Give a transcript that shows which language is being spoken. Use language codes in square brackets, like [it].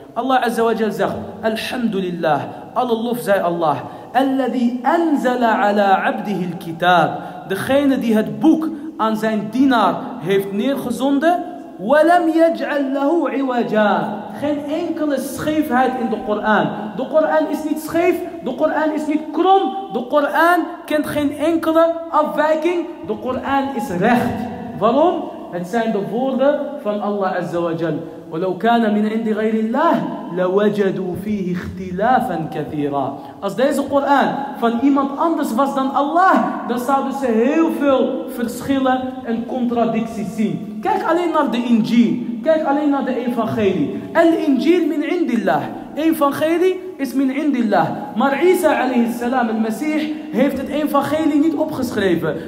[nl] Allah Azza wa Jal zegt, alhamdulillah, alle lof zij Allah, [ar] alladhi anzala ala abdihi al-kitab, [nl] degene die het boek aan zijn dienaar heeft neergezonden, [ar] wa lam yaj'al lahu iwaja. [nl] Geen enkele scheefheid in de Koran. De Koran is niet scheef, de Koran is niet krom, de Koran kent geen enkele afwijking, de Koran is recht. Waarom? Het zijn de woorden van Allah Azza wa Jal. [ar] ولو كان من عند غير الله لوجدوا فيه اختلافا كثيرا. [nl] Als deze Koran van iemand anders was dan Allah, dan zouden ze heel veel verschillen en contradicties zien. Kijk alleen naar de Injil, kijk alleen naar de Evangelie. [ar] El Injil min indillah. [nl] Evangelie is [ar] min indillah. [nl] Maar Isa alayhi salam, el Messie, heeft het Evangelie niet opgeschreven.